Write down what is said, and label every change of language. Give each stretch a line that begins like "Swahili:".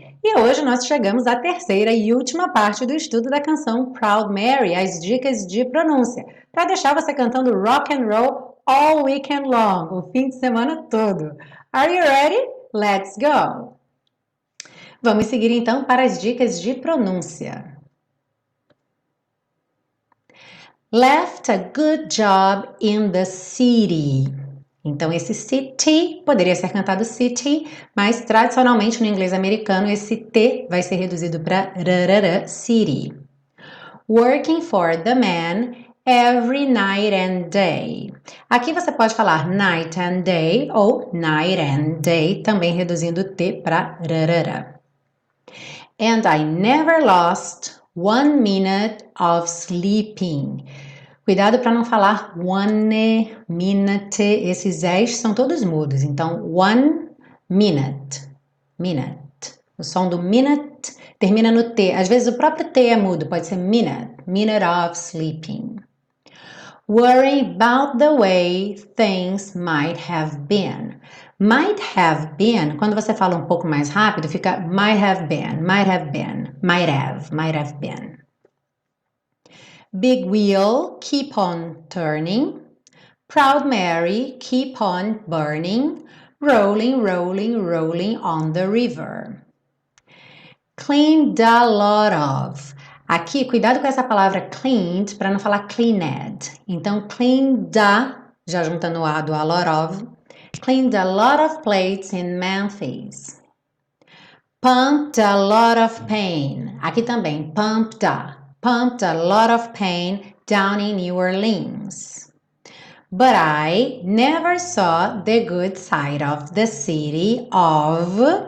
Portuguese: E hoje nós chegamos à terceira e última parte do estudo da canção Proud Mary, as dicas de pronúncia, para deixar você cantando
English: rock and roll all weekend long,
Portuguese: o fim de semana todo.
English: Are you ready? Let's go!
Portuguese: Vamos seguir então para as dicas de pronúncia.
English: Left a good job in the city.
Portuguese: Então, esse city poderia ser cantado city, mas tradicionalmente no inglês americano esse T vai ser reduzido para rarara, city.
English: Working for the man every night and day.
Portuguese: Aqui você pode falar
English: night and day
Portuguese: ou night and day, também reduzindo o T para rarara.
English: And I never lost 1 minute of sleeping.
Portuguese: Cuidado para não falar
English: one minute.
Portuguese: Esses s são todos mudos. Então,
English: 1 minute.
Portuguese: Minute. O som do minute termina no T. Às vezes o próprio T é mudo. Pode ser minute.
English: Minute of sleeping. Worry about the way things might have been. Might have been,
Portuguese: quando você fala um pouco mais rápido, fica
English: might have been, might have been, might have been. Big wheel, keep on turning. Proud Mary, keep on burning. Rolling, rolling, rolling on the river. Cleaned a lot of.
Portuguese: Aqui, cuidado com essa palavra cleaned para não falar cleaned. Então, cleaned, já juntando o A do
English: a lot of. Cleaned a lot of plates in Memphis. Pumped a lot of pain.
Portuguese: Aqui também,
English: pumped. Pumped a lot of pain down in New Orleans. But I never saw the good side of the city of.